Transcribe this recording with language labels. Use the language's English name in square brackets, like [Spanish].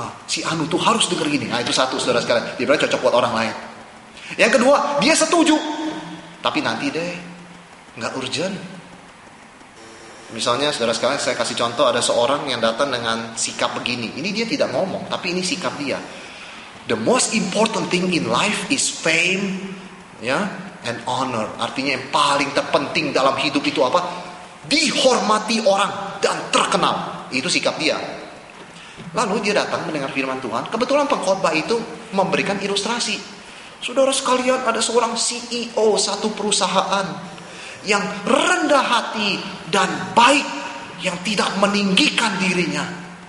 [Indonesian] Si Anu tuh harus denger gini. Nah, itu satu saudara sekalian. Dia bilang cocok buat orang lain. Yang kedua, dia setuju. Tapi nanti deh. Nggak urgent. Misalnya saudara sekalian, saya kasih contoh ada seorang yang datang dengan sikap begini. Ini dia tidak ngomong, tapi ini sikap dia. [English] The most important thing in life is fame, yeah, and honor. [Indonesian] Artinya yang paling terpenting dalam hidup itu apa? Dihormati orang dan terkenal. Itu sikap dia. Lalu dia datang mendengar firman Tuhan. Kebetulan pengkhotbah itu memberikan ilustrasi. Saudara sekalian, ada seorang CEO satu perusahaan yang rendah hati dan baik, yang tidak meninggikan dirinya.